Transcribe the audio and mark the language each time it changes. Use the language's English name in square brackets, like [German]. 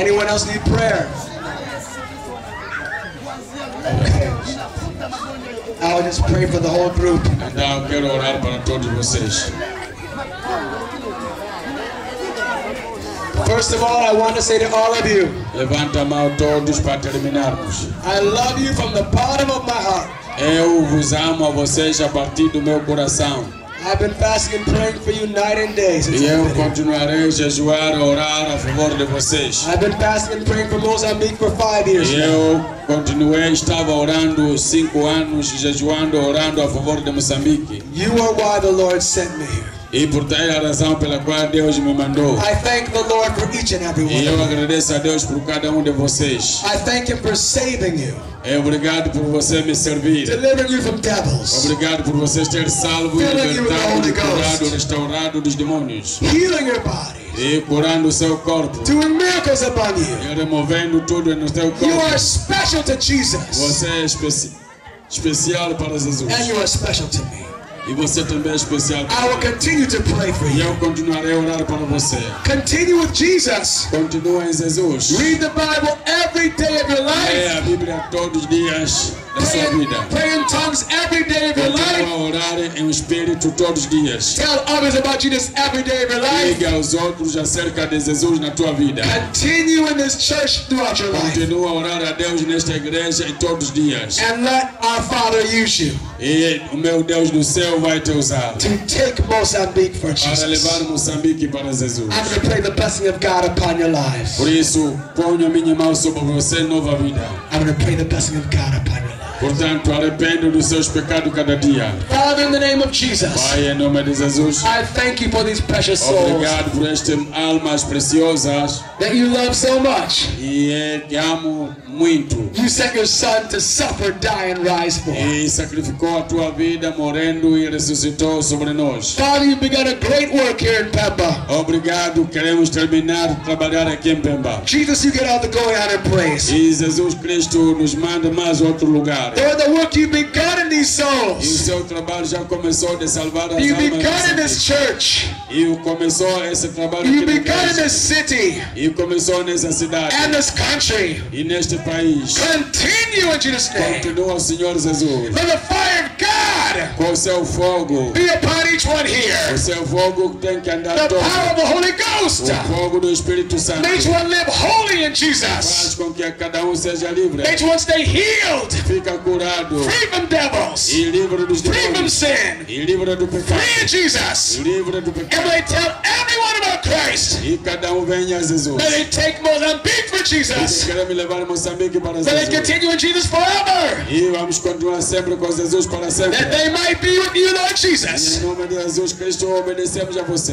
[English] Anyone else need prayer? Okay. I'll just pray for the whole group. And I'll get all up and talk to vocês. First of all, I want to say to all of you, [Portuguese] levanta a mão todos para terminarmos. [English] I love you from the bottom of my heart. [Portuguese] Eu vos amo a vocês a partir do meu coração. [English] I've been fasting and praying for you night and day. [Portuguese] Eu continuarei a jejuar e orar a favor de vocês. [English] I've been fasting and praying for Mozambique for 5 years. [Portuguese] Eu continuei, estava orando 5 anos, jejuando, orando a favor de Moçambique. [English] You are why the Lord sent me here. [Portuguese] E por ter a razão pela qual Deus me mandou. [English] I thank the Lord for each and every one. [Portuguese] E eu agradeço a Deus por cada de vocês. [English] I thank Him for saving you. [Portuguese] É obrigado por você me servir. [English] Delivering you from devils. [Portuguese] Obrigado por você ter salvo e libertado, restaurado dos demônios. [English] Healing your body. [Portuguese] E curando o seu corpo. [English] Doing miracles upon you. [Portuguese] E removendo tudo no seu corpo. [English] You are special to Jesus. [Portuguese] Você é especial para Jesus. [English] And you are special to me. [Portuguese] E você também é especial. [English] I will continue to pray for you. [Portuguese] E eu continuarei a orar para você. [English] Continue with Jesus. [Portuguese] Continue em Jesus. [English] Read the Bible every day of your life. [Portuguese] Leia a Bíblia todos os dias da sua vida. [English] Pray in tongues every day of your life. [Portuguese] Continue a orar em espírito todos os dias. [English] Tell others about Jesus every day of your life. [Portuguese] Diga aos outros acerca de Jesus na tua vida. [English] Continue in this church throughout your life. [Portuguese] Continue a orar a Deus nesta igreja em todos os dias. [English] And let our Father use you. [Portuguese] E o meu Deus do céu vai te usar. [English] To take Mozambique for Jesus. [Portuguese] Para levar Moçambique para Jesus. [English] I'm going to pray the blessing of God upon your lives. [Portuguese] Por isso, ponho a minha mão sobre você nova vida. [English] I'm going to pray the blessing of God upon your lives. [Portuguese] Portanto, arrependo dos seus pecados cada dia. [English] Father, in the name of Jesus. [Portuguese] Pai, em nome de Jesus. [English] I thank you for these precious [Portuguese] obrigado Obrigado por estas almas preciosas. [English] That you love so much. [Portuguese] E amo muito. [English] You sent your son to suffer, die and rise for. [Portuguese] E sacrificou a tua vida morrendo e ressuscitou sobre nós. [English] Father, you've begun a great work here in Pemba. [Portuguese] Obrigado, queremos terminar trabalhar aqui em Pemba. [English] Jesus, you get all the glory, honor and praise. [Portuguese] E Jesus Cristo nos manda mais outro lugar. [English] For the work you've begun in these souls. [Portuguese] E o seu trabalho já começou de salvar as almas. [English] You've begun in this church. [Portuguese] E começou esse trabalho. [English] You've begun in this city. [Portuguese] E começou nessa cidade. [English] And this country. [Portuguese] E neste país. [English] Continue in Jesus' name. [Portuguese] Continua, Senhor Jesus. [English] Let the fire of God. [Portuguese] Com o seu fogo. [English] Be upon each one here. [Portuguese] O seu fogo tem que andar [English] the [Portuguese] todo. [English] The power of the Holy Ghost. [Portuguese] O fogo do Espírito Santo. [English] Make one live holy in Jesus. [Portuguese] Faz com que cada seja livre. [English] Make one stay healed. [Portuguese] Fica curado. [English] Free from devils. [Portuguese] E livre dos [English] free [Portuguese] demônios. [English] From sin. [Portuguese] E livre do pecado. [English] Free in Jesus. [Portuguese] Livre do pecado. [English] And tell everyone about Christ. [Portuguese] E cada venha Jesus. [English] Let it take Mozambique for Jesus. [Portuguese] Queremos levar Moçambique para Jesus. [English] Let it continue in Jesus forever. [Portuguese] E vamos continuar sempre com Jesus para sempre. [English] That they might be with you, Lord Jesus. [Portuguese] Em nome de Jesus Cristo, obedecemos a você.